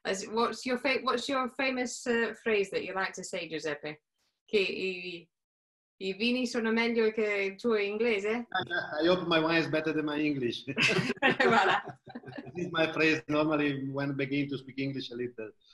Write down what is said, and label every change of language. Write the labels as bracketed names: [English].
[English] What's your famous phrase that you like to say, Giuseppe? [Italian] Che I vini sono meglio che il tuo inglese? [English] I hope my wine is better than my English. Voilà. This is my phrase normally when I begin to speak English a little.